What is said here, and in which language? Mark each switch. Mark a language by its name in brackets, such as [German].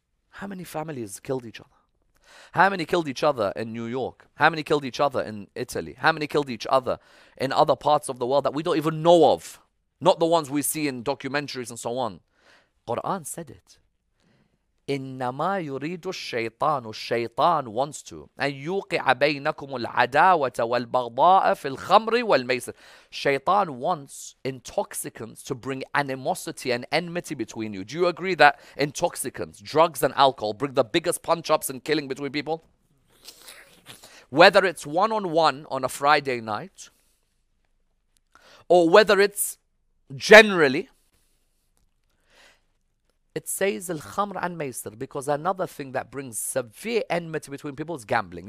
[English] How many families killed each other? How many killed each other in New York? How many killed each other in Italy? How many killed each other in other parts of the world that we don't even know of? Not the ones we see in documentaries and so on. Quran said it. [Arabic] إِنَّمَا يُرِيدُ الشَّيْطَانُ الشَّيْطَانُ [English] wants to [Arabic] أَن يُوقِعَ بَيْنَكُمُ الْعَدَاوَةَ وَالْبَغْضَاءَ فِي الْخَمْرِ وَالْمَيْسِرِ. [English] Shaytan wants intoxicants to bring animosity and enmity between you. Do you agree that intoxicants, drugs and alcohol, bring the biggest punch-ups and killing between people? Whether it's one-on-one on a Friday night, or whether it's generally, it says al-khamr and maysir, because another thing that brings severe enmity between people is gambling.